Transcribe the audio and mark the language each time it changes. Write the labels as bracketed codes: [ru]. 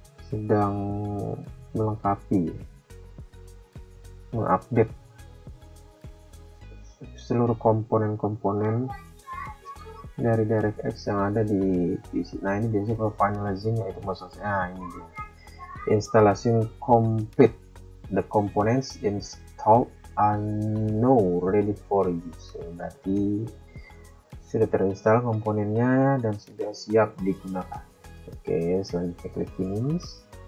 [id] Sedang melengkapi, mengupdate seluruh komponen-komponen dari DirectX yang ada di PC. Nah, ini biasanya kalau finalizing itu maksudnya, nah ini dia. [en] Installation complete, the components installed are now ready for use. [id] Berarti sudah terinstall komponennya dan sudah siap digunakan. Oke, selanjutnya klik finish.